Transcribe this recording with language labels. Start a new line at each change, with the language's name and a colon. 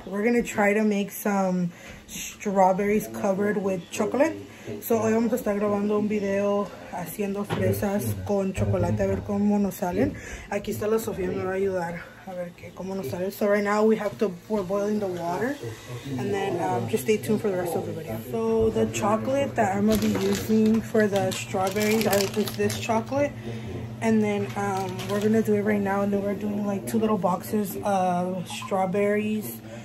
English: We're gonna try to make some strawberries covered with chocolate.
Spanish: So hoy vamos a estar grabando un video haciendo fresas con chocolate, a ver cómo nos salen. Aquí está la Sofía, me va a ayudar a ver cómo nos salen.
English: So right now we're boiling the water, and then just stay tuned for the rest of the video. So the chocolate that I'm gonna be using for the strawberries is this chocolate. And then we're gonna do it right now, and then we're doing like two little boxes of strawberries.